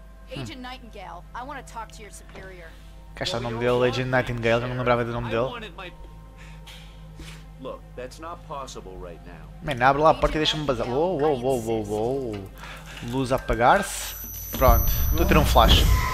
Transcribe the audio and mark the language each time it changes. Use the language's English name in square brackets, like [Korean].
[English] Agent Nightingale, I want to talk to your superior. [Portuguese] Cá está o nome dele, Agent Nightingale, eu não lembrava do nome dele. [English] Look, that's not possible right now. [Portuguese] Man, abre lá a porta e deixa-me bazar. Uou. Luz a apagar-se. Pronto, estou a ter um flash.